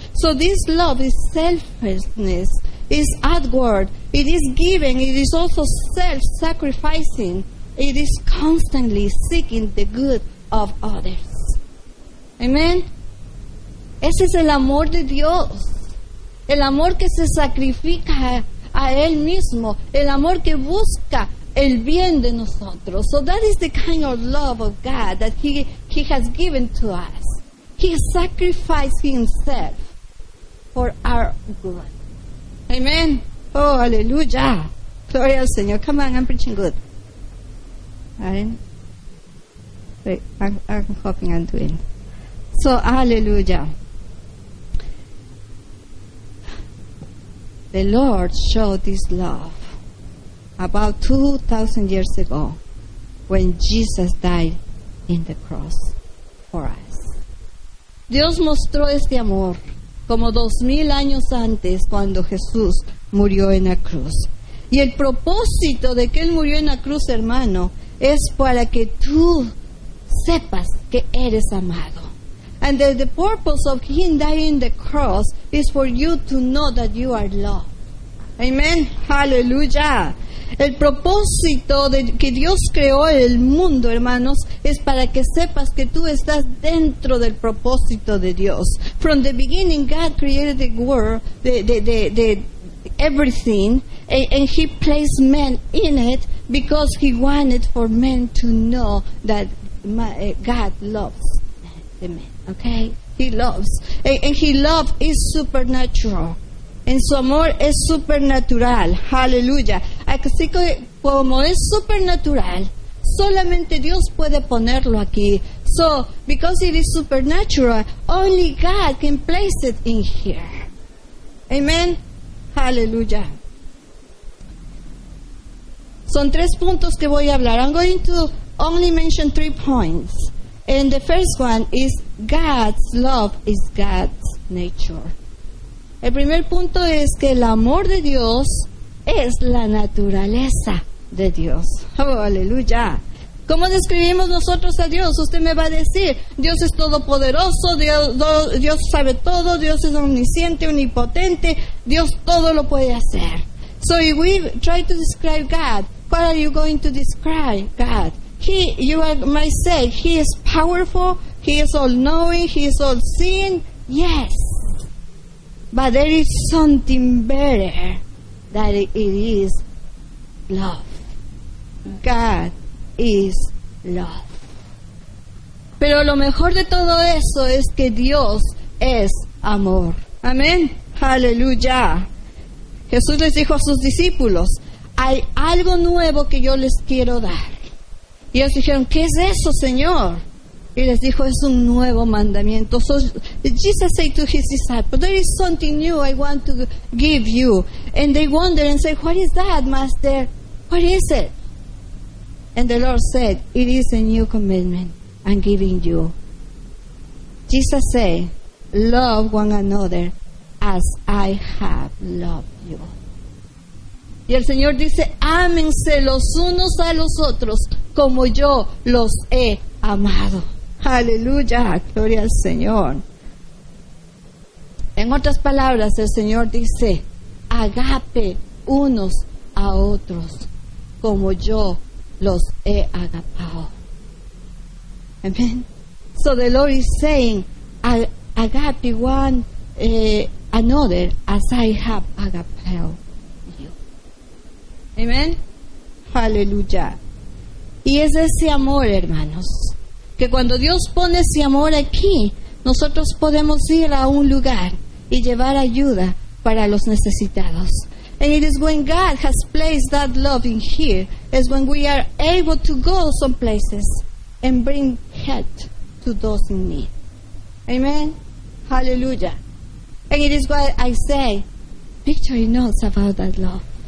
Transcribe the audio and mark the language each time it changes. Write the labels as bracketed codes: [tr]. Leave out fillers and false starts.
[en] So this love is selflessness, is outward, it is giving, it is also self-sacrificing, it is constantly seeking the good of others. Amen. [es] Ese es el amor de Dios, el amor que se sacrifica a Él mismo, el amor que busca el bien de nosotros. [en] So that is the kind of love of God that he has given to us. He sacrificed himself for our good. Amen. [es] Oh, aleluya. Gloria al Señor. [en] Come on, I'm preaching good. I'm hoping I'm doing. So, aleluya. The Lord showed this love about 2,000 years ago when Jesus died in the cross for us. [es] Dios mostró este amor como 2,000 años antes cuando Jesús murió en la cruz. Y el propósito de que Él murió en la cruz, hermano, es para que tú sepas que eres amado. [en] And the purpose of Him dying on the cross is for you to know that you are loved. Amen. Hallelujah. [es] El propósito de que Dios creó el mundo, hermanos, es para que sepas que tú estás dentro del propósito de Dios. [en] From the beginning, God created the world, the everything, and He placed men in it because He wanted for men to know that God loves the men. Okay? He loves. And His love is supernatural. [es] En su amor es supernatural. Aleluya. Así que como es supernatural, solamente Dios puede ponerlo aquí. [en] So, because it is supernatural, only God can place it in here. Amen. Aleluya. [es] Son tres puntos que voy a hablar. [en] I'm going to only mention three points. And the first one is God's love is God's nature. [es] El primer punto es que el amor de Dios es la naturaleza de Dios. Oh, aleluya. ¿Cómo describimos nosotros a Dios? Usted me va a decir, Dios es todopoderoso, Dios sabe todo, Dios es omnisciente, omnipotente, Dios todo lo puede hacer. [en] So if we try to describe God, what are you going to describe God? You might say, He is powerful, He is all-knowing, He is all-seeing. Yes. But there is something better that it is love. God is love. [es] Pero lo mejor de todo eso es que Dios es amor. Amén. Aleluya. Jesús les dijo a sus discípulos, hay algo nuevo que yo les quiero dar. Y ellos dijeron, ¿qué es eso, Señor? Y les dijo, es un nuevo mandamiento. [en] So Jesus said to his disciples, there is something new I want to give you. And they wondered and said, what is that, Master? What is it? And the Lord said, it is a new commandment I'm giving you. Jesus said, love one another as I have loved you. [es] Y el Señor dice, ámense los unos a los otros como yo los he amado. Aleluya, gloria al Señor. En otras palabras, el Señor dice, agape unos a otros como yo los he agapado. [en] Amen. So the Lord is saying, agape one another as I have agaped you. Amen. Aleluya. [es] Y es ese amor, hermanos, que cuando Dios pone ese amor aquí, nosotros podemos ir a un lugar y llevar ayuda para los necesitados. [en] And it is when God has placed that love in here, is when we are able to go some places and bring help to those in need. Amen. Hallelujah. And it is why I say, Victory knows about that love.